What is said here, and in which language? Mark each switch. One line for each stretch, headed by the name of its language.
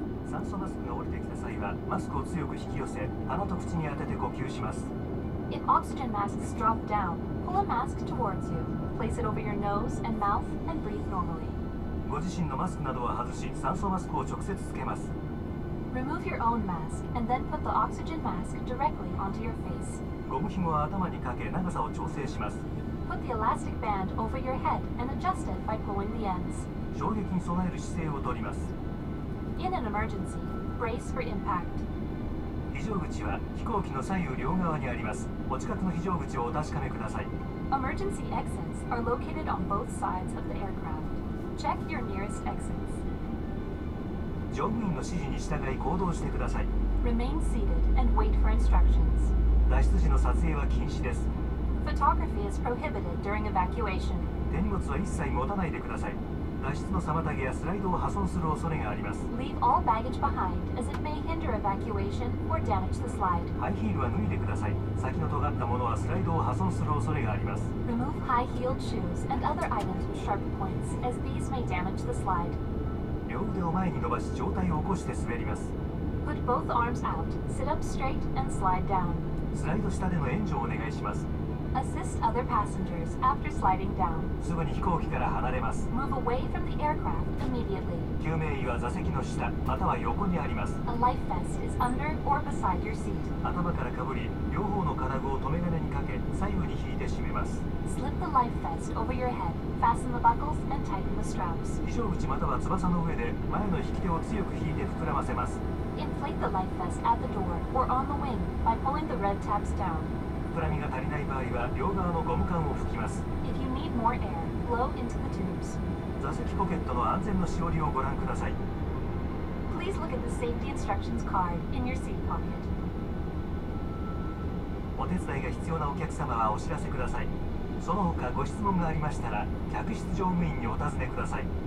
Japanese: 酸素マスクが降りてきた際はマスクを強く引き寄せ鼻と口に当てて呼吸します。
English: If oxygen masks drop down, pull a mask towards you. Place it over your nose and mouth and breathe normally.
Japanese: ご自身のマスクなどは外し酸素マスクを直接つけます。
English: Remove your own mask and then put the oxygen mask directly onto your face.
Japanese: ゴム紐は頭にかけ長さを調整します。
English: Put the elastic band over your head and adjust it by pulling the ends.
Japanese: 衝撃に備える姿勢をとります。
English: In an emergency, brace for impact.
Japanese: 非常口は飛行機の左右両側にあります。お近くの非常口をお確かめください。
English: Emergency exits are located on both sides of the aircraft. Check your nearest exits.
Japanese: 乗務員の指示に従い行動してください。
English: Remain seated and wait for instructions.
Japanese: 脱出時の撮影は禁止です。
English: Photography is prohibited during evacuation.
Japanese: 手荷物は一切持たないでください。脱出の妨げやスライドを破損する恐れがあります。
English: Leave all baggage behind as it may hinder evacuation or damage the slide.
Japanese: ハイヒールは脱いでください。先の尖ったものはスライドを破損する恐れがあります。
English: Remove high-heeled shoes and other items with sharp points as these may damage the slide.
Japanese: 両腕を前に伸ばし上体を起こして滑ります。
English: Put both arms out, sit up straight and slide down.
Japanese: スライド下での援助をお願いします。
English: Assist other passengers after sliding down.
Japanese: すぐに飛行機から離れます。
English: Move away from the aircraft immediately.
Japanese: 救命衣は座席の下または横にあります。
English: A life vest is under or beside your seat.
Japanese: 頭からかぶり、両方の金具を留め金にかけ、左右に引いて締めます。
English: Slip the life vest over your head, fasten the buckles and tighten the straps.
Japanese: 非常口または翼の上で前の引き手を強く引いて膨らませます。
English: Inflate the life vest at the door or on the wing by pulling the red tabs down.
Japanese: 膨らみが足りない場合は両側のゴム管を吹きます。
English: If you need more air, blow into the tubes.
Japanese: 座席ポケットの安全のしおりをご覧ください。
English: Please look at the safety instructions card in your seat pocket.
Japanese: お手伝いが必要なお客様はお知らせください。その他ご質問がありましたら客室乗務員にお尋ねください。